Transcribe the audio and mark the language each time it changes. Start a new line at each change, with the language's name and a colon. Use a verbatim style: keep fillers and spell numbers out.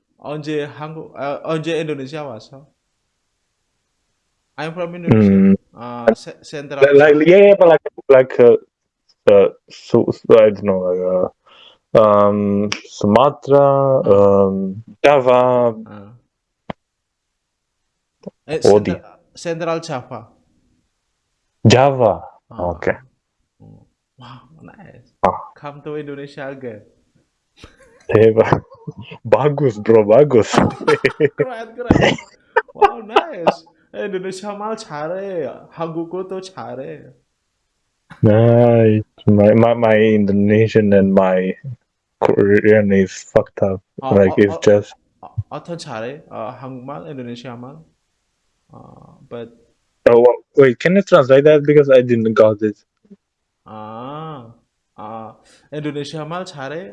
Korean: 언제 한국 아, 언제 인도네시아 왔어?
English: I'm from Indonesia. Hmm. Uh, se- Central Like, Java. yeah, yeah, but like, like, uh, uh, so, so I don't know, like, uh, um, Sumatra, Uh, um, Java, uh. Eh, Odi, Central Central Java. Java. Okay. Uh, oh. Wow, nice. Ah, Come to Indonesia again.
Indonesian: eh, ba- bagus, bro, bagus. Keren, keren.
English: Wow, nice.
Korean: Eh, Indonesia mal 잘해. 한국어도 잘해.
English: Nice. My, my, my Indonesian and my Korean is fucked up. 어, Like, 어, it's 어, just.
Korean: 어, 어떤 잘해? 어, 한국말, 인도네시아말.
English: 어, but, Oh, wa- wait, can you translate that? Because I didn't got it.
Korean: 아, 아, 인도네시아말 잘해?